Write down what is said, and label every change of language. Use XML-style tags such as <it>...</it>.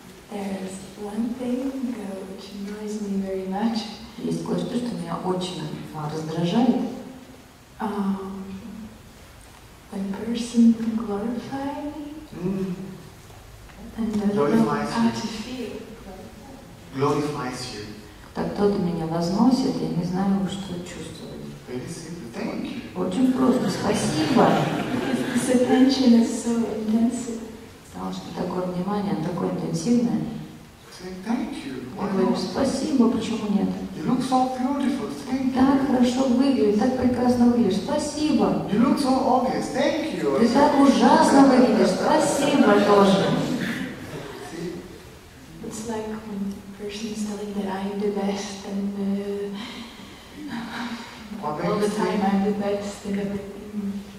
<en>There is one thing which annoys me very much.</en> <ru>Есть кое-что, что меня очень раздражает.</ru> <en>When person glorify me and doesn't know how to feel. Glorifies you.</en> <ru>Так кто-то меня возносит, я не знаю, что чувствовать.</ru> <en>Very simple. Thank you.</en> <ru>Очень просто. Спасибо.</ru> <en>This attention is so intense.</en> <ru>Потому что такое внимание, оно такое интенсивное.</ru> <en>Thank you.</en> <ru>Я говорю, спасибо, почему нет?</ru> <en>You look so beautiful. Thank you.</en> <ru>Так хорошо выглядишь, так прекрасно выглядишь. Спасибо.</ru> <en>You look so obvious. Thank you.</en> <ru>Ты так ужасно выглядишь. Спасибо тоже.</ru> <en>It's like when the person is telling that I'm the best and all the time I'm the best and everything.</en>